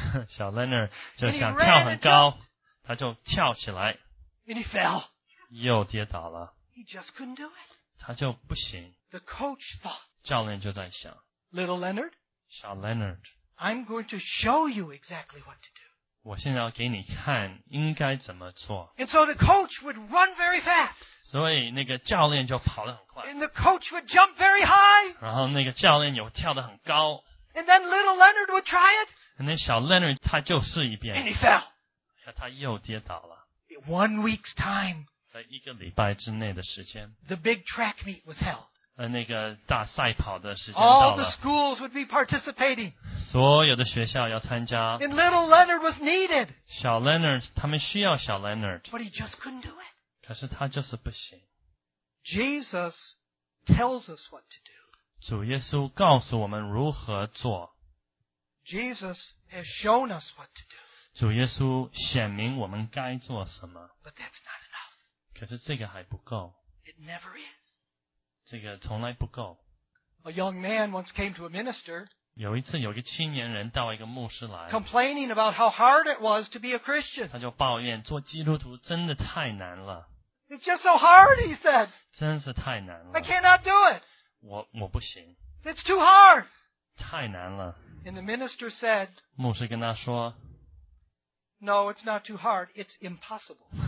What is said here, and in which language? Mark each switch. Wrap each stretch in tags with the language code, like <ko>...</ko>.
<zh>小 Leonard 就想跳很高，他就跳起来。</zh> <en>And he fell.</en> <zh>又跌倒了。</zh> <en>He just couldn't do it.</en> <zh>他就不行。</zh> <en>The coach thought.</en> <zh>教练就在想。</zh> <en>Little Leonard.</en> <zh>小 Leonard.</zh> <en>I'm going to show you exactly what to do.</en> <zh>我现在要给你看应该怎么做。</zh> <en>And so the coach would run very fast.</en> <zh>所以那个教练就跑得很快。</zh> <en>And the coach would jump very high.</en> <zh>然后那个教练又跳得很高。</zh> <en>And then little Leonard would try it. And then</en> <zh>小 Leonard 他就试一遍。</zh> <en>And he fell.</en> <zh>他又跌倒了。</zh> <en>One week's time.</en> <zh>在一个礼拜之内的时间。</zh> <en>The big track meet was held.</en> <zh>那个大赛跑的时间到了。</zh> <en>All the schools would be participating.</en> <zh>所有的学校要参加。</zh> <en>And little Leonard was needed.</en> <zh>小 Leonard, 他们需要小 Leonard.</zh> <en>But he just couldn't do it.</en> <zh>可是他就是不行。</zh> <en>Jesus tells us what to do.</en> <zh>主耶稣告诉我们如何做。</zh> <en>Jesus has shown us what to do.</en> <zh>主耶稣显明我们该做什么。</zh> <en>But that's not enough.</en> <zh>可是这个还不够。</zh> <en>It never is.</en> <zh>这个从来不够。</zh> <en>A young man once came to a minister.</en> <zh>有一次有一个青年人到一个牧师来。</zh> <en>Complaining about how hard it was to be a Christian.</en> <zh>他就抱怨做基督徒真的太难了。</zh> <en>It's just so hard, he said.</en> <zh>真是太难了。</zh> <en>I cannot do it.</en> <zh>我不行。</zh> <en>It's too hard.</en> <zh>太难了。</zh> <en>And the minister said,</en> <zh>牧师跟他说,</zh> <en>No, it's not too hard, it's impossible.</en>